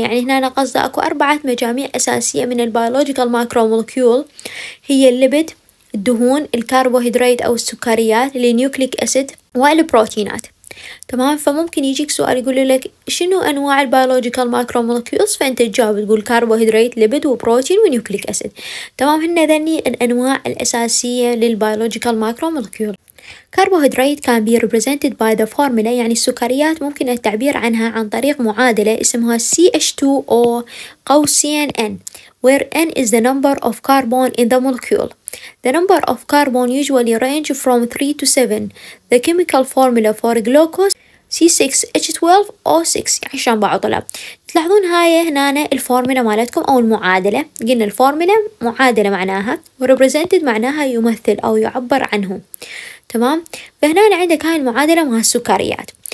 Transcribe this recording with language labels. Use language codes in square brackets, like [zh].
[ar] يعني هنا أنا قصدي أكو أربعة مجاميع أساسية من البيولوجيكال مايكرو مولكيول، هي الليبيد، الدهون، الكربوهيدرات أو السكريات، النيوكليك أسيد والبروتينات، تمام؟ فممكن يجيك سؤال يقول لك شنو أنواع البيولوجيكال مايكرو مولكيولز، فأنت تجاوب تقول كربوهيدرات، ليبيد، وبروتين، ونيوكليك أسيد، تمام؟ هن ذني الأنواع الأساسية للبيولوجيكال مايكرو مولكيول. [en] carbohydrates can be represented by the formula، [ar] يعني السكريات ممكن التعبير عنها عن طريق معادلة اسمها [en] CH2O قوسين N، where N is the number of carbon in the molecule. The number of carbon usually range from 3 to 7. The chemical formula for glucose C6H12O6. [ar] يعني شان بعض طلاب تلاحظون هاي هنا الفورمولا مالتكم أو المعادلة، قلنا الفورمولا معادلة معناها، represented معناها يمثل أو يعبر عنه، تمام؟ فهنا عندك هاي المعادلة مع السكريات.